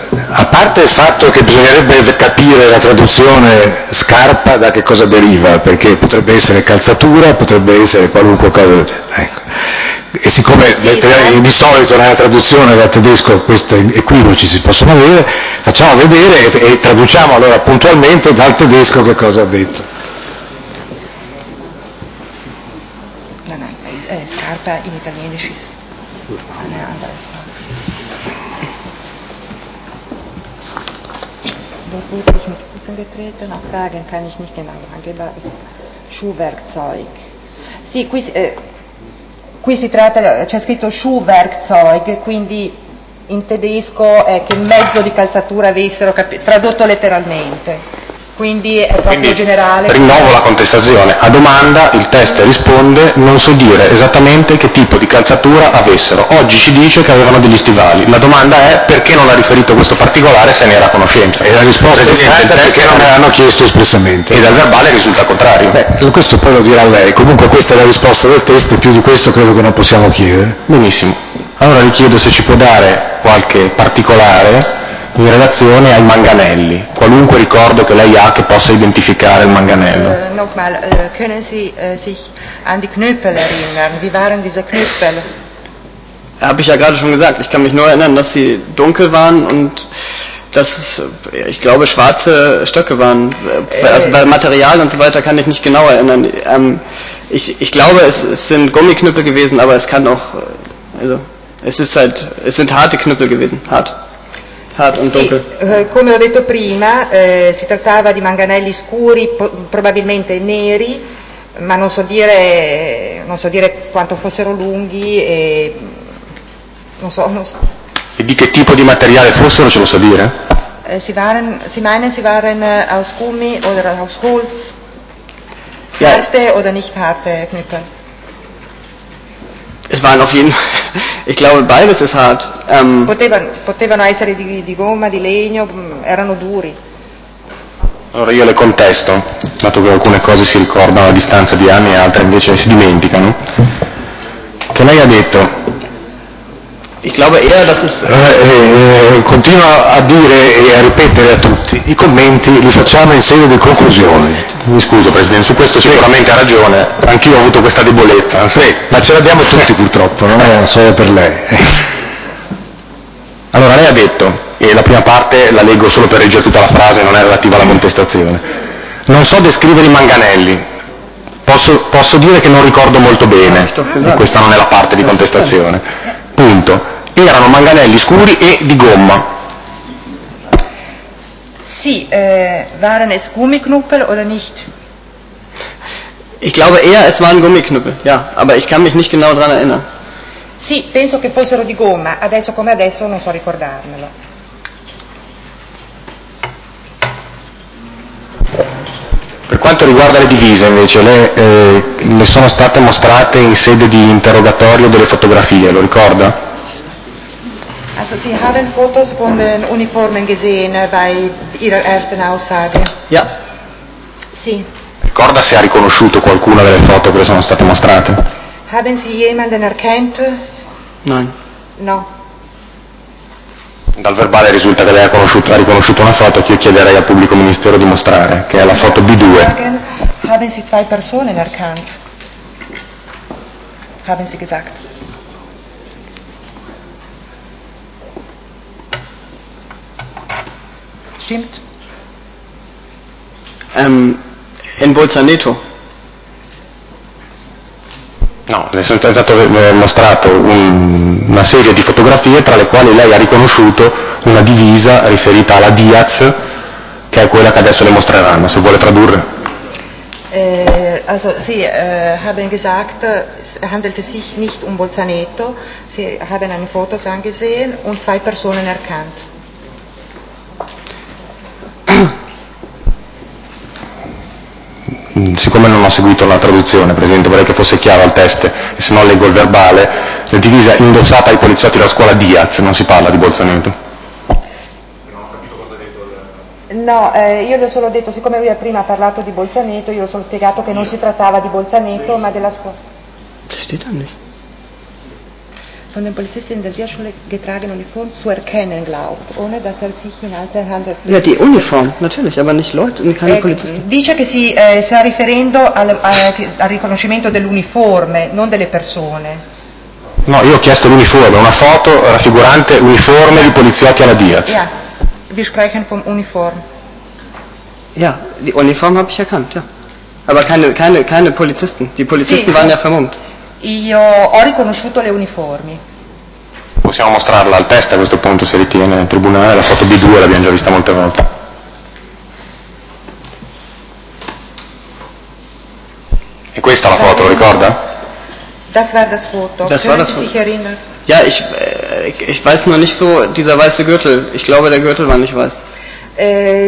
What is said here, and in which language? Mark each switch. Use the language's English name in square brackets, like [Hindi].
[Italian] A parte il fatto che bisognerebbe capire la traduzione scarpa da che cosa deriva, perché potrebbe essere calzatura, potrebbe essere qualunque cosa. Ecco. E siccome di solito nella traduzione dal tedesco questi equivoci si possono avere, facciamo vedere e traduciamo allora puntualmente dal tedesco che cosa ha detto. [German] scarpa in italienisch ist. Eine andere Sache. Dort wurde ich mit Füßen getreten, auf Fragen kann ich nicht genau angeben. Schuhwerkzeug. [Italian] Sì, qui, qui si tratta, c'è scritto Schuhwerkzeug, quindi in tedesco è che mezzo di calzatura avessero, tradotto letteralmente. Quindi è proprio quindi, generale. Rinnovo la contestazione. A domanda il test risponde, non so dire esattamente che tipo di calzatura avessero. Oggi ci dice che avevano degli stivali. La domanda è perché non ha riferito questo particolare se ne era a conoscenza. E la risposta è stata perché non me l'hanno chiesto espressamente. E dal verbale risulta contrario. Beh, questo poi lo dirà lei. Comunque questa è la risposta del test e più di questo credo che non possiamo chiedere. Benissimo. Allora le chiedo se ci può dare qualche particolare in relazione ai manganelli, qualunque ricordo che lei ha che possa identificare il manganello. [German] Nochmal, können Sie sich an die Knüppel erinnern? Wie waren diese Knüppel? Habe ich ja gerade schon gesagt, ich kann mich nur erinnern, dass sie dunkel waren und dass es, ich glaube, schwarze Stöcke waren. Also bei Material und so weiter kann ich nicht genau erinnern. Ich glaube, es sind Gummiknüppel gewesen, aber es kann auch, also es sind harte Knüppel gewesen, hart. [Italian] Sì, come ho detto prima, si trattava di manganelli scuri, probabilmente neri, ma non so dire quanto fossero lunghi e non so. E di che tipo di materiale fossero, ce lo sa dire? [German] Sie waren aus Gummi oder aus Holz, harte oder nicht harte Knüppel? Es waren auf jeden Ich glaube, beides ist hart. [Italian] Potevano essere di gomma, di legno, erano duri. Allora io le contesto, dato che alcune cose si ricordano a distanza di anni e altre invece si dimenticano. Che lei ha detto? [German] Ich glaube eher, dass es... [Italian] continua a dire e a ripetere a tutti, i commenti li facciamo in sede di conclusione. Mi scuso Presidente, su questo sicuramente ha ragione, anch'io ho avuto questa debolezza. Ma ce l'abbiamo tutti purtroppo, non è solo per lei. Allora lei ha detto, e la prima parte la leggo solo per reggere tutta la frase, non è relativa alla contestazione. Non so descrivere i manganelli, posso dire che non ricordo molto bene, questa non è la parte di contestazione. Punto. Erano manganelli scuri e di gomma. [German] Sì, waren es Gummiknüppel oder nicht? Ich glaube eher es waren Gummiknüppel, ja, aber ich kann mich nicht genau daran erinnern. [Italian] Sì, penso che fossero di gomma, adesso come adesso non so ricordarmelo. Per quanto riguarda le divise invece, le sono state mostrate in sede di interrogatorio delle fotografie, lo ricorda? [German] Also Sie haben Fotos von den Uniformen gesehen bei Ihrer ersten Aussage? Ja. [Italian] Sì. Ricorda se ha riconosciuto qualcuna delle foto che le sono state mostrate? [German] Haben Sie jemanden erkannt? Nein. [Italian] No. Dal verbale risulta che lei ha riconosciuto una foto che io chiederei al pubblico ministero di mostrare, che è la foto B2. [German] Haben Sie zwei Personen erkannt? Haben Sie gesagt? Stimmt. In Bolzaneto. [Italian] No, le sono stato mostrato una serie di fotografie tra le quali lei ha riconosciuto una divisa riferita alla Diaz, che è quella che adesso le mostreranno, se vuole tradurre. [German] Also Sie haben gesagt, es handelte sich nicht um Bolzaneto, Sie haben eine Fotos angesehen und zwei Personen erkannt. [Italian] Siccome non ho seguito la traduzione, Presidente, vorrei che fosse chiaro al test, se no leggo il verbale, la divisa indossata ai poliziotti della scuola Diaz, non si parla di Bolzaneto. No, io le ho solo detto, siccome lui prima ha parlato di Bolzaneto, io le ho solo spiegato che non si trattava di Bolzaneto, ma della scuola. [German] Si steht da nicht. Von den Polizisten der Diaschule getragene Uniform zu erkennen glaubt, ohne dass er sich in als Handel. Ja, die Uniform, natürlich, aber nicht Leute, keine Polizisten. [Italian] Dice che si sta riferendo al riconoscimento dell'uniforme, non delle persone. No, io ho chiesto l'uniforme, una foto raffigurante uniforme di poliziotti alla Diaz. [German] Ja, wir sprechen vom Uniform. Ja, die Uniform habe ich erkannt, ja. Aber keine Polizisten, die Polizisten sì, waren ja vermummt. [Italian] Io ho riconosciuto le uniformi. Possiamo mostrarla al test a questo punto, se ritiene il tribunale. La foto B2 l'abbiamo già vista molte volte. E questa è la foto, lo ricorda? [German] Das war das Foto. Das war das Foto. Ja, ich weiß noch nicht so, dieser weiße Gürtel. Ich glaube, der Gürtel war nicht weiß.